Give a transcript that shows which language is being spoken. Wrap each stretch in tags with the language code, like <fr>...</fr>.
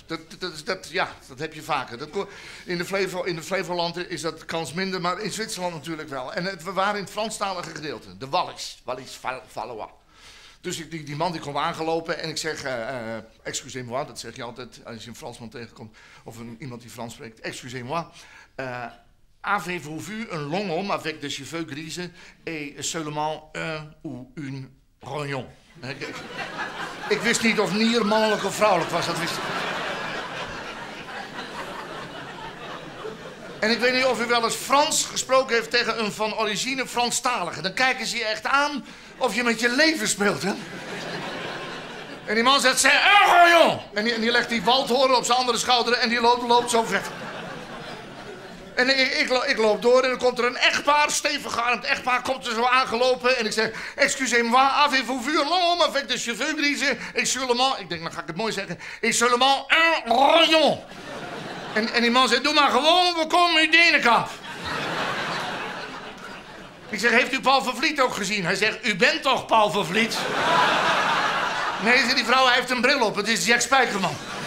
<nl>Dat heb je vaker. In de Flevoland is dat kans minder, maar in Zwitserland natuurlijk wel. En we waren in het Franstalige gedeelte, de Wallis Valois. Dus die man die komt aangelopen en ik zeg,</nl> <fr>excusez-moi,</fr> <nl>dat zeg je altijd als je een Fransman tegenkomt of iemand die Frans spreekt, excusez-moi.</nl> <fr>Avez-vous vu un long homme avec des cheveux grise et seulement un ou une rognon?</fr> <nl>Ik wist niet of nier mannelijk of vrouwelijk was, dat wist ik. En ik weet niet of u wel eens Frans gesproken heeft tegen een van origine Franstalige. Dan kijken ze je echt aan of je met je leven speelt, hè? En die man zegt,</nl> <fr>c'est un rognon!</fr> <nl>En die legt die waldhoren op zijn andere schouder en die loopt zo weg. En ik loop door en dan komt er een echtpaar, stevig gearmd echtpaar, komt er zo aangelopen. En ik zeg,</nl> <fr>excusez-moi, avez-vous vu l'homme avec des cheveux grises? Et seulement,</fr> <nl>ik denk, dan ga ik het mooi zeggen,</nl> <fr>et seulement un rognon!</fr> <nl>En die man zegt, doe maar gewoon, we komen in Denenkamp. Ik zeg, heeft u Paul van Vliet ook gezien? Hij zegt, u bent toch Paul van Vliet? Nee, zegt die vrouw, hij heeft een bril op, het is Jack Spijkerman.</nl>